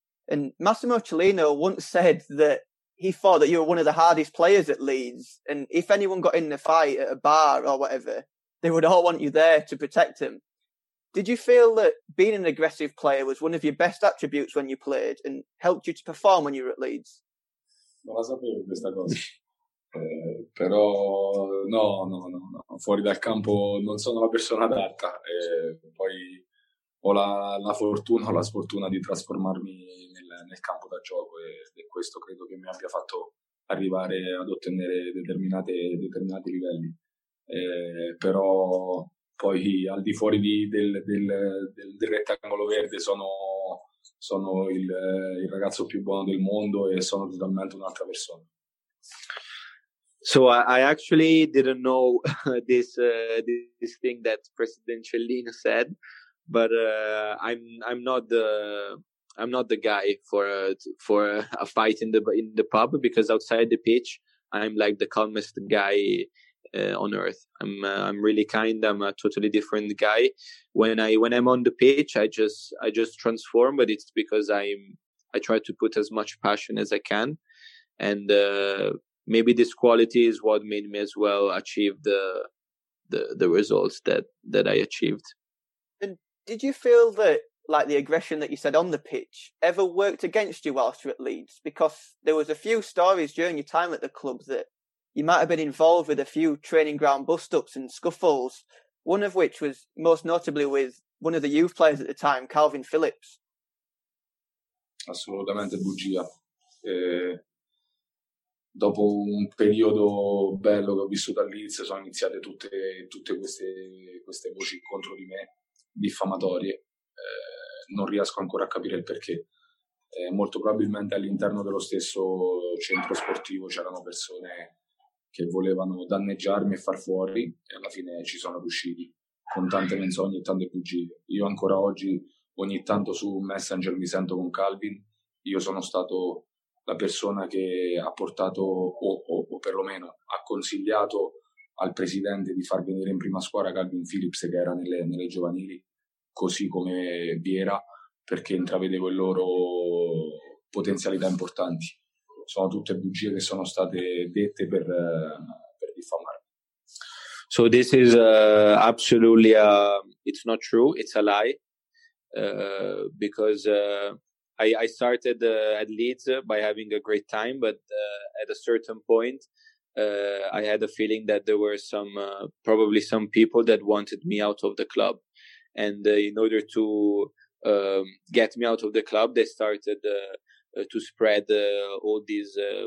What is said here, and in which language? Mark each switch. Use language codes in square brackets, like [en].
[en] And Massimo Cellino once said that he thought that you were one of the hardest players at Leeds. And if anyone got in a fight at a bar or whatever, they would all want you there to protect him. Did you feel that being an aggressive player was one of your best attributes when you played and helped you to perform when you were at Leeds? [it] Non la sapevo questa cosa, però no, fuori dal campo non sono la persona adatta, poi ho la fortuna o la sfortuna di trasformarmi nel campo da gioco e questo credo che mi abbia fatto arrivare ad ottenere determinati livelli, però poi al di fuori del rettangolo verde sono il ragazzo più buono del mondo e sono totalmente un'altra persona. [en] So I actually didn't know this thing that President Cellino said, but I'm not the guy for a fight in the pub because outside the pitch I'm like the calmest guy on earth. I'm really kind. I'm a totally different guy. When I'm on the pitch, I just transform. But it's because I try to put as much passion as I can, and maybe this quality is what made me as well achieve the results that I achieved. And did you feel that like the aggression that you said on the pitch ever worked against you whilst you're at Leeds? Because there was a few stories during your time at the club that you might have been involved with a few training ground bust-ups and scuffles, one of which was most notably with one of the youth players at the time, Calvin Phillips. [it] Assolutamente bugia. Dopo un periodo bello che ho vissuto a Leeds, sono iniziate tutte queste voci contro di me, diffamatorie. Non riesco ancora a capire il perché. Molto probabilmente all'interno dello stesso centro sportivo c'erano persone che volevano danneggiarmi e far fuori, e alla fine ci sono riusciti con tante menzogne e tante bugie. Io ancora oggi, ogni tanto su Messenger mi sento con Calvin, io sono stato la persona che ha portato o perlomeno ha consigliato al presidente di far venire in prima squadra Calvin Phillips, che era nelle giovanili, così come Vieira, perché intravedevo in loro potenzialità importanti. Sono tutte bugie che sono state dette per diffamarmi. [en] So this is absolutely it's not true, it's a lie, because I started at Leeds by having a great time, but at a certain point I had a feeling that there were some probably some people that wanted me out of the club, and in order to get me out of the club, they started to spread all these